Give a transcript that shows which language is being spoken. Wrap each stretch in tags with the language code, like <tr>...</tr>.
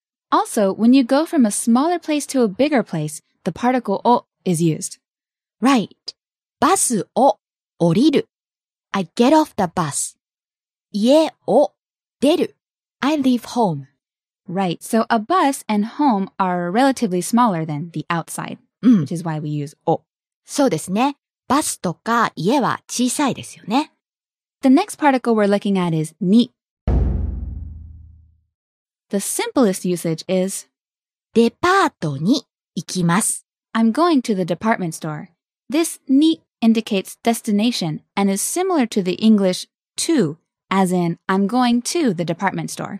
<en>Also, when you go from a smaller place to a bigger place, the particle お is used. Right.</en> <ja>バスを降りる.</ja> <en>I get off the bus.</en> <ja>家を出る.</ja> <en>I leave home. Right, so a bus and home are relatively smaller than the outside,、</en> <ja>うん、</ja> <en>which is why we use お.</en> <ja>そうですね。バスとか家は小さいですよね。</ja> <en>The next particle we're looking at is に. The simplest usage is</en> <ja>デパートに行きます。</ja> <en>I'm going to the department store. This に indicates destination and is similar to the English to, as in I'm going to the department store.</en>